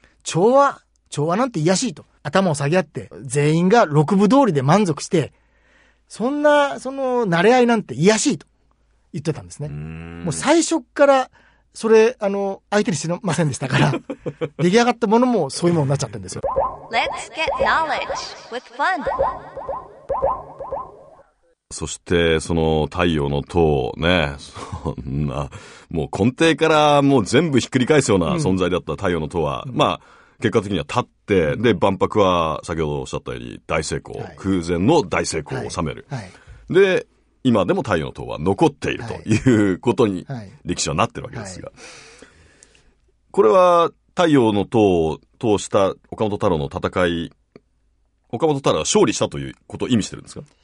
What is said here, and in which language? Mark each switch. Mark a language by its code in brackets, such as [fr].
[ja] 調和なんて癒やしいと。頭を下げ合って、全員が六部通りで満足して、そんな、その、慣れ合いなんて癒やしいと言ってたんですね。もう最初から、それ、相手にしてませんでしたから、出来上がったものもそういうものになっちゃってるんですよ。 [en] Let's get knowledge with fun. [ja] そして、その、太陽の塔、ね、そんな、もう根底からもう全部ひっくり返すような存在だった太陽の塔は、うん、まあ、結果的には立って、うん、で、万博は先ほどおっしゃったように大成功、はい、空前の大成功を収める、はいはい。で、今でも太陽の塔は残っているということに歴史はなってるわけですが、はいはい、これは太陽の塔を通した岡本太郎の戦い、岡本太郎は勝利したということを意味してるんですか？